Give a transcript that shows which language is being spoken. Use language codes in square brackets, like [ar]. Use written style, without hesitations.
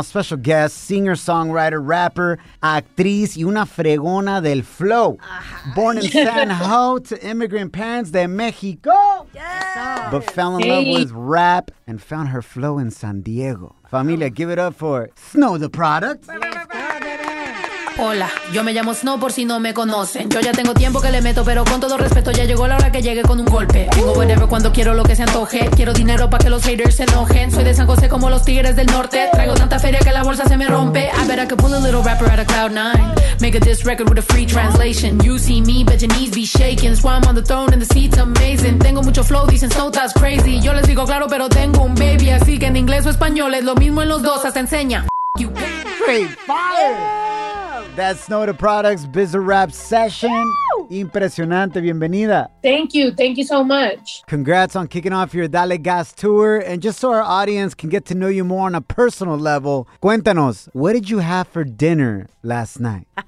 [en] Special guest, singer, songwriter, rapper, [es] actriz y una fregona del flow. [en] Born in San Ho to immigrant parents [es] de Mexico. [en] Yes. But fell in love with rap and found her flow in San Diego. Familia, give it up for Snow the Product. [es] Hola, yo me llamo Snow por si no me conocen. Yo ya tengo tiempo que le meto, pero con todo respeto ya llegó la hora que llegue con un golpe. Tengo whatever cuando quiero lo que se antoje. Quiero dinero para que los haters se enojen. Soy de San José como los tigres del norte. Traigo tanta feria que la bolsa se me rompe. [en] I bet I could pull a little rapper out of cloud nine. Make a diss record with a free translation. You see me, bet your knees be shaking. That's why I'm on the throne and the seat's amazing. [es] Tengo mucho flow, dicen Snow, [en] that's crazy. [es] Yo les digo claro, pero tengo un baby. Así que en inglés o español es lo mismo en los dos, hasta enseña. [en] Free fire! That's Snow the Product's Bizarrap Session. Woo! [es] Impresionante. Bienvenida. [en] Thank you. Thank you so much. Congrats on kicking off your Dale Gas tour. And just so our audience can get to know you more on a personal level, [es] cuéntanos, [en] what did you have for dinner last night?